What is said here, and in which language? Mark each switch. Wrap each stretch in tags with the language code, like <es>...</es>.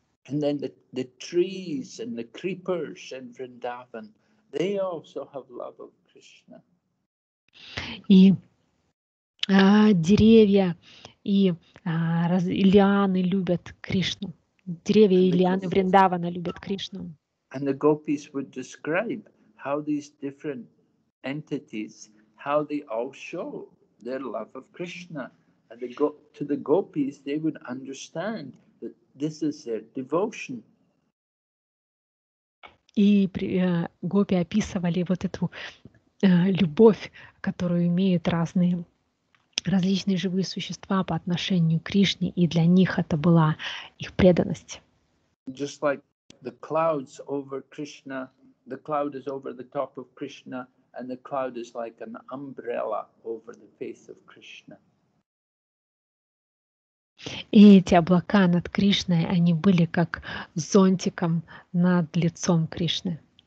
<en>And then the trees and the creepers in Vrindavan, they also have love of Krishna.</en> <ru>Деревья и лианы любят Кришну. Деревья и лианы Вриндавана любят Кришну.</ru> <en>And the gopis would describe how these different entities, how they all show their love of Krishna. And to the gopis, they would understand that this is their devotion.</en> <ru>И гопи описывали вот эту любовь, которую имеют разные, различные живые существа по отношению к Кришне, и для них это была их преданность.</ru> <en>Just like the clouds over Krishna, the cloud is over the top of Krishna, and the cloud is like an umbrella over the face of Krishna.</en> <ru>И эти облака над Кришной, они были как зонтиком над лицом Кришны.</ru>